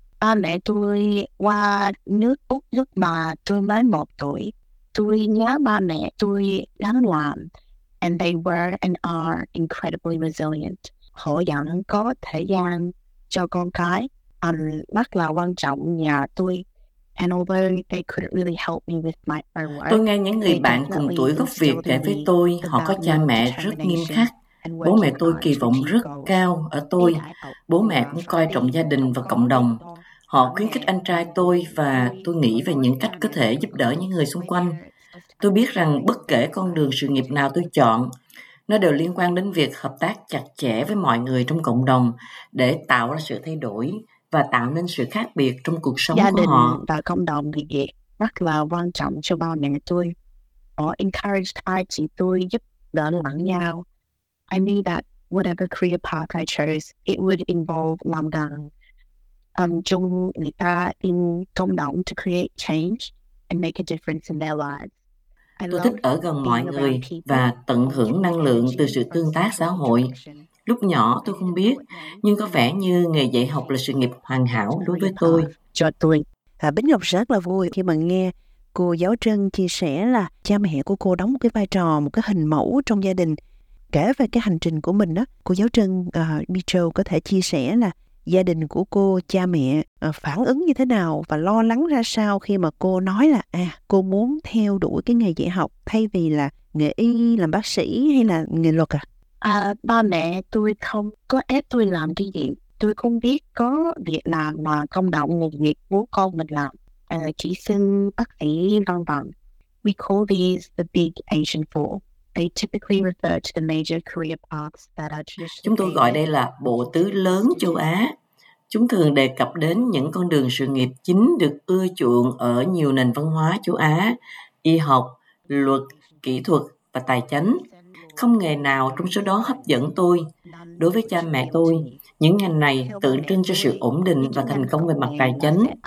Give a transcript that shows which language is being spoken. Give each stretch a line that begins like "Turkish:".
Vietnamese: Ba mẹ tôi qua nước Úc lúc mà tôi mới một tuổi. Tôi nhớ ba mẹ tôi đang làm.
English: And they were and are incredibly resilient.
Vietnamese: Họ vẫn có thời gian cho con cái. Rất là quan trọng nhà tôi.
English: And although they couldn't really help me with my own work.
Vietnamese: Tôi nghe những người bạn cùng tuổi gốc Việt kể với tôi. Họ có cha mẹ rất nghiêm khắc. Bố mẹ tôi kỳ vọng rất cao ở tôi. Bố mẹ cũng coi trọng gia đình và cộng đồng. Họ khuyến khích anh trai tôi và tôi nghĩ về những cách có thể giúp đỡ những người xung quanh. Tôi biết rằng bất kể con đường sự nghiệp nào tôi chọn, nó đều liên quan đến việc hợp tác chặt chẽ với mọi người trong cộng đồng để tạo ra sự thay đổi và tạo nên sự khác biệt trong cuộc sống gia của họ. Gia đình và cộng đồng thì rất là quan trọng cho bao mẹ tôi. Họ
English: encouraged
Vietnamese: hai chị tôi giúp đỡ lẫn nhau.
English: I knew that whatever career path I chose, it would involve
Vietnamese: làm gần chung người ta
English: in
Vietnamese: cộng đồng
English: to create change and make a difference in their lives.
Vietnamese: Tôi thích ở gần mọi người và tận hưởng năng lượng từ sự tương tác xã hội. Lúc nhỏ tôi không biết, nhưng có vẻ như nghề dạy học là sự nghiệp hoàn hảo đối với tôi. Cho tôi. Bích Ngọc rất là vui khi mà nghe cô giáo Trân chia sẻ là cha mẹ của cô đóng một cái vai trò, một cái hình mẫu trong gia đình. Kể về cái hành trình của mình đó, cô giáo Trân Mitchell có thể chia sẻ là gia đình của cô, cha mẹ phản ứng như thế nào và lo lắng ra sao khi mà cô nói là cô muốn theo đuổi cái nghề dạy học thay vì là nghề y, làm bác sĩ hay là nghề luật Ba mẹ tôi không có ép tôi làm cái gì. Tôi không biết có việc nào mà công đồng nghề nghiệp của con mình làm. Chỉ xin bác sĩ, v.v.
English: We call these the big Asian four. They typically refer to the major career paths that are traditionally.
Vietnamese: Chúng tôi gọi đây là bộ tứ lớn châu Á. Chúng thường đề cập đến những con đường sự nghiệp chính được ưa chuộng ở nhiều nền văn hóa châu Á, y học, luật, kỹ thuật và tài chính. Không nghề nào trong số đó hấp dẫn tôi. Đối với cha mẹ tôi, những ngành này tượng trưng cho sự ổn định và thành công về mặt tài chính.